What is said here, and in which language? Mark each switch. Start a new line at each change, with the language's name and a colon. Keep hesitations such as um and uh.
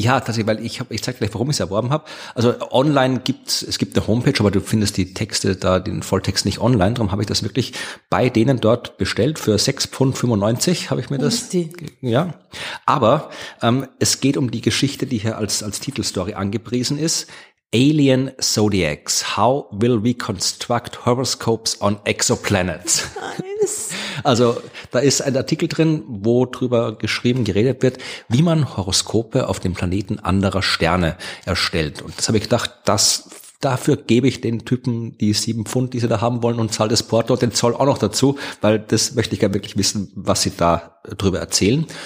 German: Ja, tatsächlich, weil ich habe, ich zeige gleich, warum ich es erworben habe. Also online gibt's, es gibt eine Homepage, aber du findest die Texte da, den Volltext nicht online. Darum habe ich das wirklich bei denen dort bestellt. Für 6,95 Pfund habe ich mir das. Husti. Ja. Aber ähm, es geht um die Geschichte, die hier als, als Titelstory angepriesen ist.
English: Alien Zodiacs. How will we construct horoscopes on exoplanets? Nice.
German: Also da ist ein Artikel drin, wo drüber geschrieben, geredet wird, wie man Horoskope auf dem Planeten anderer Sterne erstellt. Und das habe ich gedacht, das dafür gebe ich den Typen die sieben Pfund, die sie da haben wollen und zahle das Porto und den Zoll auch noch dazu, weil das möchte ich ja wirklich wissen, was sie da drüber erzählen.